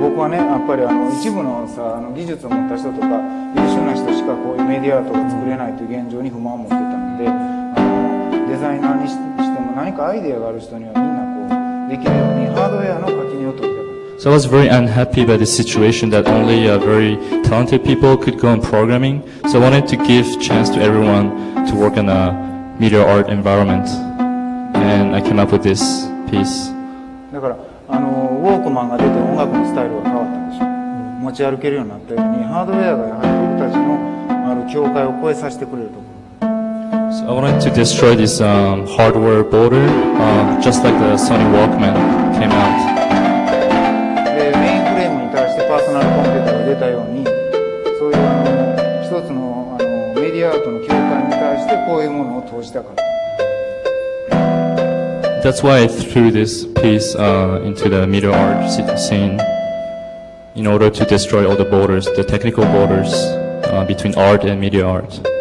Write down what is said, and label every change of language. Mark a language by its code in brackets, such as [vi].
[ja] やっぱり一部 の, さ技術を持った人とか優秀な人しかこういうメディアアートを作れないという現状に不満を持ってたので、デザイナーにしても何かアイデアがある人にはみんなこうできるようにハードウェアの垣根を取ってた。 [en] So I was very unhappy by the situation that only very talented people could go on programming. So I wanted to give chance to everyone to work in a media art environment. And I came up with this piece. [ja] だからウォークマンが出て音楽のスタイルは変わったんでしょ。持ち歩けるようになったように、ハードウェアがやはり僕たちの境界を越えさせてくれると思う。 [en] So I wanted to destroy this hardware border, just like the Sony Walkman came out. [ja] で、メインフレームに対してパーソナルコンピューターが出たように、そういう一つのメディアアートの境界に対してこういうものを投じたから。 [en] That's why I threw this piece into the media art scene in order to destroy all the borders, the technical borders between art and media art.